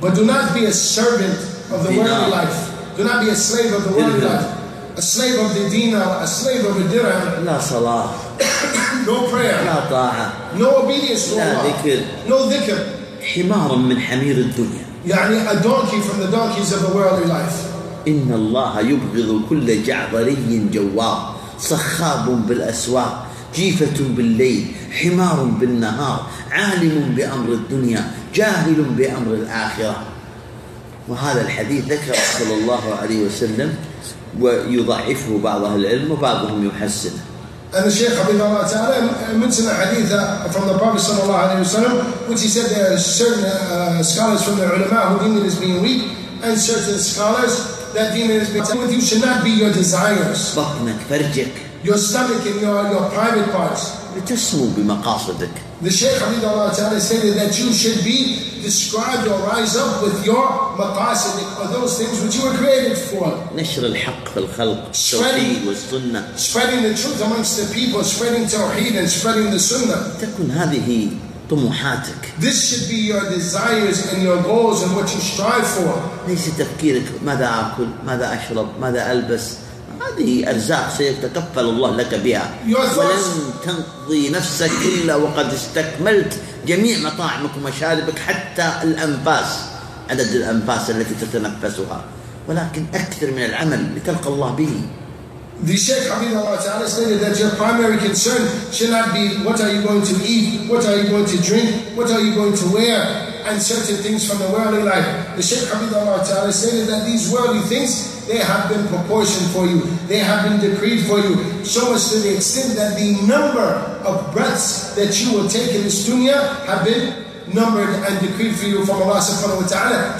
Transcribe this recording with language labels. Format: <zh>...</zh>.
<en>But do not be a servant of the worldly life. Do not be a slave of the worldly life. A slave of the dinar, a slave of the dirham.</en> <ar>لا صلاة.</ar> <en>No prayer.</en> <ar>لا طاعة.</ar> <en>No obedience to</en> <ar>لا</ar> <en>Allah.</en> <ar>لا ذكر.</ar> <en>No ذكر.</en> <ar>حمار من حمير الدنيا. يعني</ar> <en>a donkey from the donkeys of the worldly life.</en> <ar>إن الله يبغض كل جعبري جوار صخاب بالأسواق جيفة بالليل حمار بالنهار عالم بأمر الدنيا جاهل بأمر الآخرة. وهذا الحديث ذكره صلى الله عليه وسلم ويضعفه بعض أهل العلم وبعضهم يحسنه.</ar> <en>And the Shaykh Hafidh Allah Ta'ala mentioned a hadith from the Prophet sallallahu alayhi wa sallam, which he said there are certain scholars from the ulama who deem it as being weak, and certain scholars that deem it as being with you should not be your desires.</en> <ar>بطنك, فرجك.</ar> <en>Your stomach and your private parts.</en> <ar>لتسمو بمقاصدك.</ar> <en>The Shaykh Hafidh Allah Ta'ala stated that you should be described or rise up with your maqasidik, or those things which you were created for.</en> <ar>نشر الحق في الخلق, التوحيد والسنة.</ar> <en>Spreading the truth amongst the people, spreading tawheed and spreading the sunnah.</en> <ar>تكون هذه طموحاتك.</ar> <en>This should be your desires and your goals and what you strive for.</en> <ar>ليس تفكيرك ماذا آكل, ماذا أشرب, ماذا ألبس. هذه أرزاق سيتكفل الله لك بها. ولن تنقضي نفسك إلا وقد استكملت جميع مطاعمك ومشاربك حتى الأنفاس, عدد الأنفاس التي تتنفسها. ولكن أكثر من العمل لتلقى الله به.</ar> <en>The Shaykh Hafidh Allah Ta'ala stated that your primary concern should not be what are you going to eat, what are you going to drink, what are you going to wear, and certain things from the worldly life. The Shaykh Hafidh Allah Ta'ala stated that these worldly things, they have been proportioned for you, they have been decreed for you, so as to the extent that the number of breaths that you will take in this dunya have been numbered and decreed for you from Allah Subhanahu Wa Ta'ala.</en>